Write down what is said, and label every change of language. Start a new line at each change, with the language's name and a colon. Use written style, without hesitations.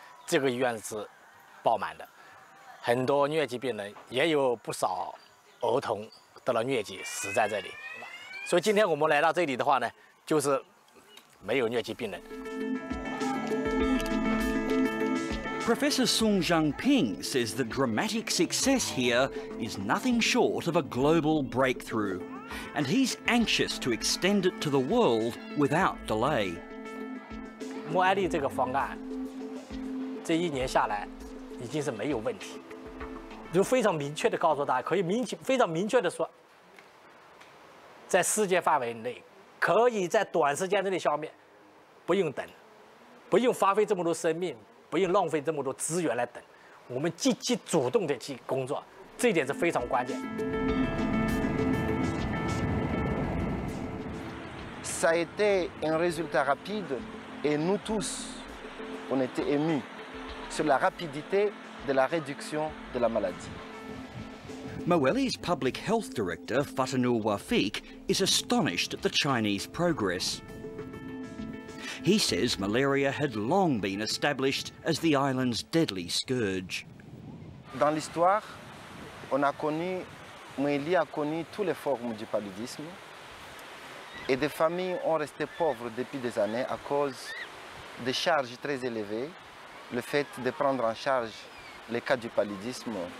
Chinese: 这个医院是爆满的，很多疟疾病人，也有不少儿童得了疟疾死在这里。所以今天我们来到这里的话呢，就是没有疟疾病人。
English: Professor Song JiangPing says the dramatic success here is nothing short of a global breakthrough, and he's anxious to extend it to the world without delay.
Chinese: Moheli 这个方案，这一年下来已经是没有问题，就非常明确的告诉大家，可以明非常明确的说，在世界范围内，可以在短时间内消灭，不用等，不用花费这么多生命。不用浪费这么多资源来等，我们积极主动地去工作，这一点是非常关键。
French: Ça a été un résultat rapide et nous tous, on était émus sur la rapidité de la réduction de la maladie.
English: Moheli's public health director, Fatanul Wafik, is astonished at the Chinese progress. He says malaria had long been established as the island's deadly scourge.
French: Dans l'histoire, on a connu, Moheli a connu toutes les formes du paludisme, et des familles ont resté pauvres depuis des années à cause des charges très élevées, le fait de prendre en charge les cas du paludisme.